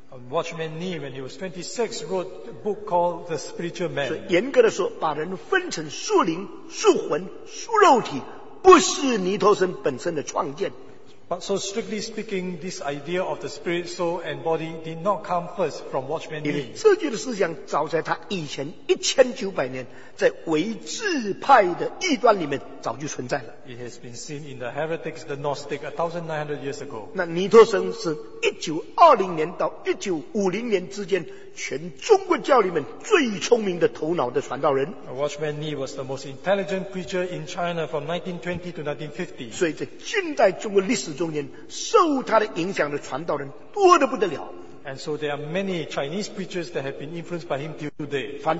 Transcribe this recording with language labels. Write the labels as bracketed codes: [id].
[en] Watchman Nee, when he was 26, wrote a book called The Spiritual Man. [zh] 所以严格地说, 把人分成树灵, 树魂, 树肉体, 不是尼托生本身的创建。 [en] But so strictly speaking, this idea of the spirit, soul, and body did not come first from Watchman Nee. [zh] 因为这句的思想早在他以前1900年在唯智派的异端里面早就存在了。 [en] It has been seen in the heretics, the Gnostic, 1900 years ago. [zh] 那尼托生是1920年到1950年之间 全中国教里面最聪明的头脑的传道人。 [en] Watchman Nee was the most intelligent preacher in China from 1920 to 1950. [zh] 所以在近代中国历史中间受他的影响的传道人多得不得了。 [en] And so there are many Chinese preachers that have been influenced by him till today.